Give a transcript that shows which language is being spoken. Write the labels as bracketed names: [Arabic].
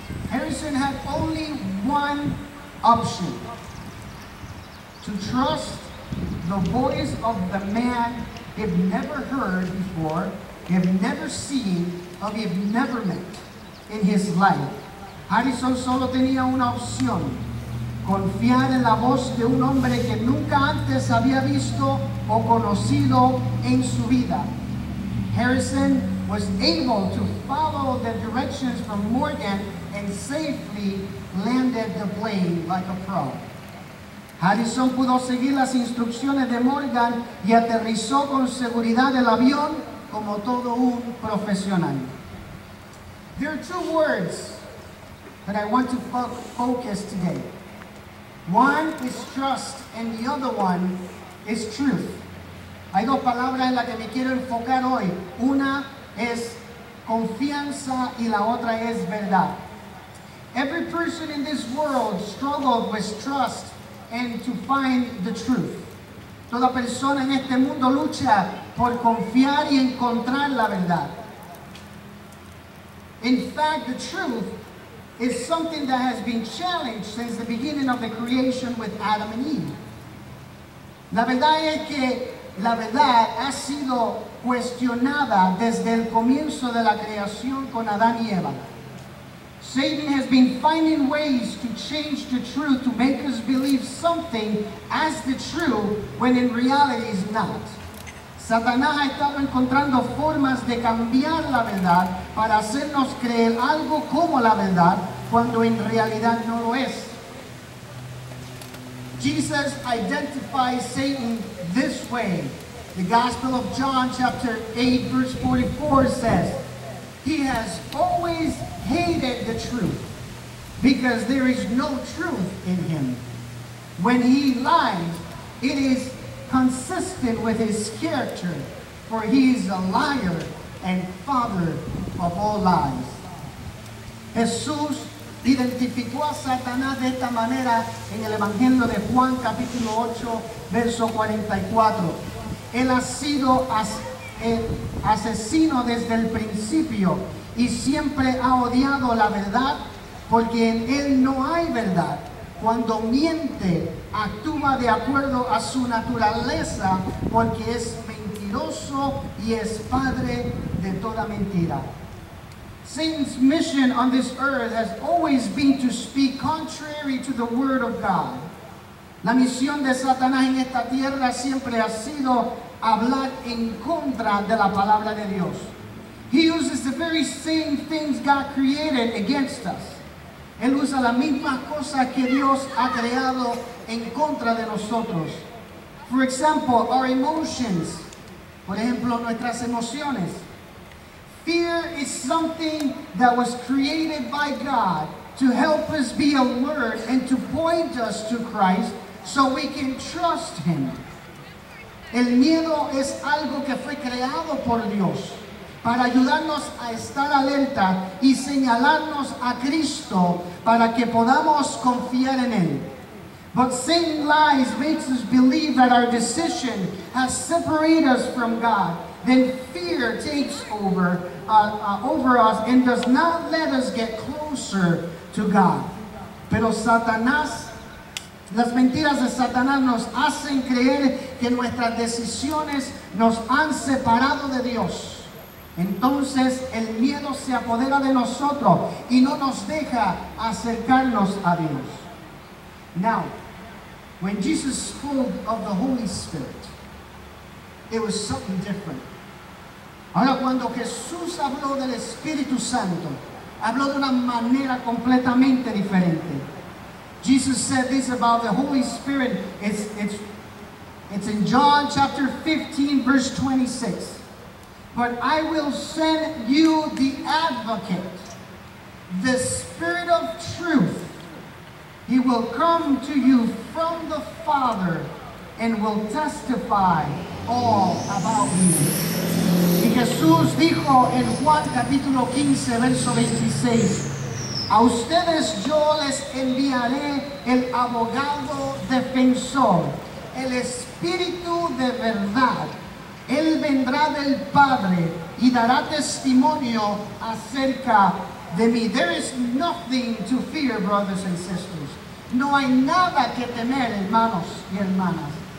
[English] Harrison had only one option, to trust the voice of the man he'd never heard before, he'd never seen, or he'd never met in his life. [Spanish] Harrison solo tenía una opción, confiar en la voz de un hombre que nunca antes había visto o conocido en su vida. [English] Harrison was able to follow the directions from Morgan and safely landed the plane like a pro. [Spanish] Harrison pudo seguir las instrucciones de Morgan y aterrizó con seguridad el avión como todo un profesional. [English] There are two words that I want to focus today. One is trust and the other one is truth. [Spanish] Hay dos palabras en las que me quiero enfocar hoy. Una es confianza y la otra es verdad. [English] Every person in this world struggled with trust and to find the truth. [Spanish] Toda persona en este mundo lucha por confiar y encontrar la verdad. [English] In fact, the truth is something that has been challenged since the beginning of the creation with Adam and Eve. [Spanish] La verdad es que la verdad ha sido cuestionada desde el comienzo de la creación con Adán y Eva. [English] Satan has been finding ways to change the truth to make us believe something as the truth when in reality is not. [Spanish] Satanás ha estado encontrando formas de cambiar la verdad para hacernos creer algo como la verdad cuando en realidad no lo es. [English] Jesus identifies Satan this way. The Gospel of John chapter 8 verse 44 says, he has always hated the truth because there is no truth in him. When he lies, it is consistent with his character, for he is a liar and father of all lies. [Spanish] Jesús identificó a Satanás de esta manera en el Evangelio de Juan, capítulo 8, verso 44. Él ha sido asesino desde el principio y siempre ha odiado la verdad porque en él no hay verdad. Cuando miente, actúa de acuerdo a su naturaleza porque es mentiroso y es padre de toda mentira. [English] Satan's mission on this earth has always been to speak contrary to the word of God. [Spanish] La misión de Satanás en esta tierra siempre ha sido hablar en contra de la palabra de Dios. [English] He uses the very same things God created against us. [Spanish] Él usa las mismas cosas que Dios ha creado en contra de nosotros. [English] For example, our emotions. [Spanish] Por ejemplo, nuestras emociones. [English] Fear is something that was created by God to help us be alert and to point us to Christ so we can trust Him. [Spanish] El miedo es algo que fue creado por Dios para ayudarnos a estar alerta y señalarnos a Cristo para que podamos confiar en Él. [English] But saying lies makes us believe that our decision has separated us from God. Then fear takes over us and does not let us get closer to God. [Spanish] Pero Satanás, las mentiras de Satanás nos hacen creer que nuestras decisiones nos han separado de Dios. Entonces el miedo se apodera de nosotros y no nos deja acercarnos a Dios. [English] Now, when Jesus spoke of the Holy Spirit, it was something different. [Spanish] Ahora, cuando Jesús habló del Espíritu Santo, habló de una manera completamente diferente. [English] Jesus said this about the Holy Spirit. It's in John chapter 15, verse 26. But I will send you the Advocate, the Spirit of Truth. He will come to you from the Father and will testify all about me. [Spanish] Jesús dijo en Juan capítulo 15, verso 26, a ustedes yo les enviaré el abogado defensor, el Espíritu de verdad. Él vendrá del Padre y dará testimonio acerca de mí. [English] There is nothing to fear, brothers and sisters. [Spanish] No hay nada que temer, hermanos y hermanas.